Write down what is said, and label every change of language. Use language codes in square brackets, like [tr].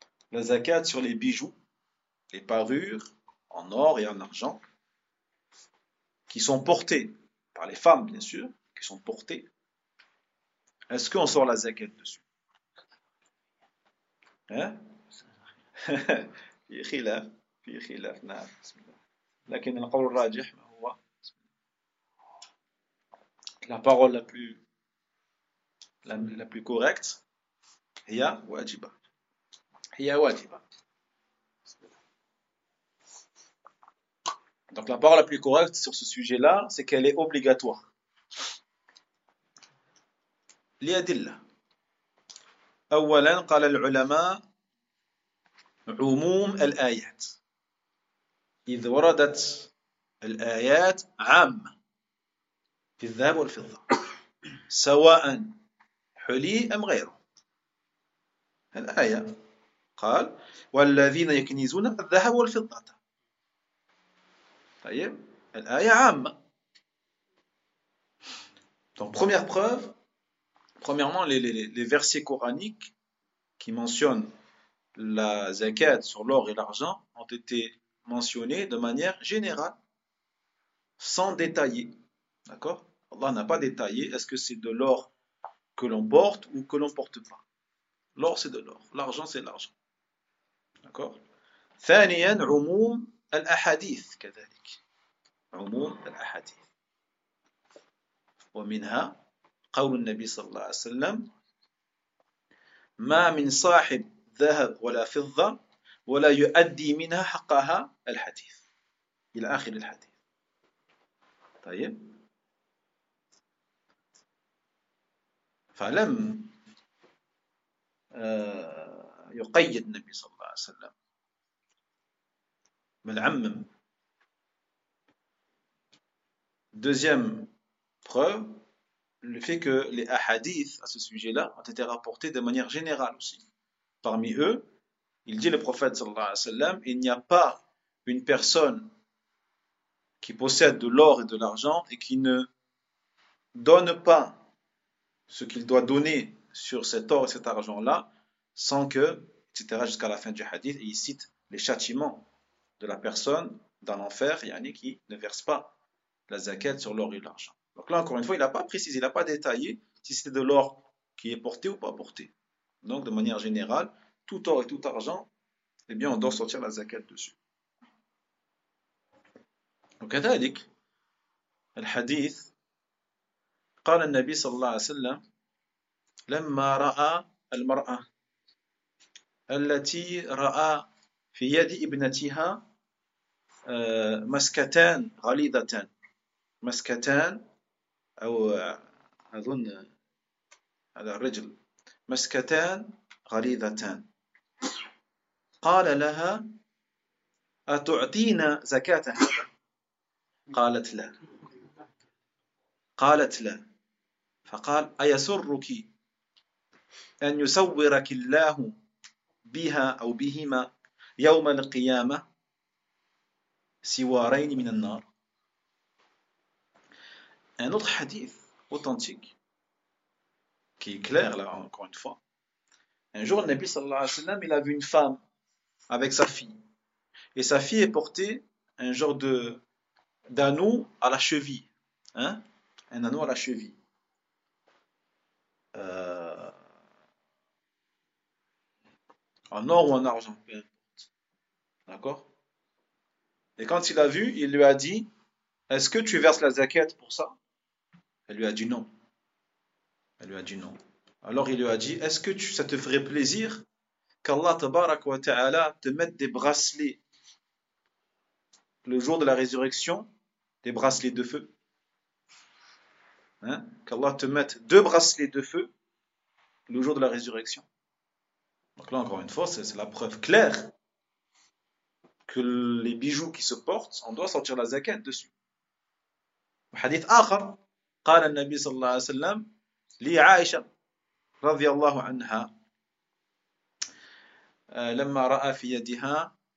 [fr] La zakat sur les bijoux, les parures en or et en argent qui sont portés par les femmes, bien sûr, qui sont portées. Est-ce qu'on sort la zakat dessus? Hein? Il y a khilaf. [ar] في خلاف نعم بسم الله لكن القول الراجح ما هو [fr] La parole la plus correcte, [ar] hiya wajiba. Hiya wajiba. [fr] Donc la parole la plus correcte sur ce sujet-là, c'est qu'elle est obligatoire. [ar] Liadilla. أولاً قال العلماء عموم الآيات إذ وردت الآيات عامة في الذهب والفضة سواء حلي أم غيره الآية قال والذين يكنزون الذهب والفضة طيب الآية عامة [fr] donc première preuve premièrement les versets coraniques qui mentionne la zakat sur l'or et l'argent ont été mentionnés de manière générale, sans détailler. D'accord? Allah n'a pas détaillé est-ce que c'est de l'or que l'on porte ou que l'on ne porte pas. L'or, c'est de l'or. L'argent, c'est l'argent. D'accord? [ar] Thaniyan, umum al-ahadith, kadhalik. Umum al-ahadith. Wa minha, qawl al-Nabi sallallahu alayhi wa sallam. ما من صاحب ذهب ولا فضة ولا يؤدي منها حقها الحديث إلى آخر الحديث طيب فلم يقيد النبي صلى الله عليه وسلم بل عمم [fr] deuxième preuve le fait que les hadiths à ce sujet-là ont été rapportés de manière générale aussi. Parmi eux, il dit le prophète sallallahu alayhi wa sallam, il n'y a pas une personne qui possède de l'or et de l'argent et qui ne donne pas ce qu'il doit donner sur cet or et cet argent-là sans que, etc., jusqu'à la fin du hadith, et il cite les châtiments de la personne dans l'enfer, yani qui ne verse pas la zakat sur l'or et l'argent. Donc là, encore une fois, il n'a pas précisé, il n'a pas détaillé si c'était de l'or qui est porté ou pas porté. Donc, de manière générale, tout or et tout argent, eh bien, on doit sortir la zakat dessus. Donc, à [ar] ذلك, le hadith, قال النبي صلى الله عليه وسلم لما رأى المرأة التي رأى في يد ابنتها مسكتان غليظتان مسكتان أو أظن هذا الرجل مسكتان غليظتان قال لها أتعطينا زكاة هذا قالت لا فقال أيسرك أن يسورك الله بها أو بهما يوم القيامة سوارين من النار [fr] Un autre hadith authentique qui est clair, là, encore une fois. Un jour, le Nabi sallallahu alayhi wa sallam, il a vu une femme avec sa fille. Et sa fille est portée un genre d'anneau à la cheville. Hein? Un anneau à la cheville. En or ou en argent, peu importe. D'accord? Et quand il a vu, il lui a dit, est-ce que tu verses la zakat pour ça? Elle lui a dit non. Elle lui a dit non. Alors il lui a dit, est-ce que ça te ferait plaisir qu'Allah tabarak wa ta'ala te mette des bracelets le jour de la résurrection, des bracelets de feu hein? Qu'Allah te mette deux bracelets de feu le jour de la résurrection. Donc là, encore une fois, c'est la preuve claire que les bijoux qui se portent, on doit sortir la zakat dessus. [ar] Hadith akhar. قال النبي صلى الله عليه وسلم لعائشة رضي الله عنها لما رأى في يدها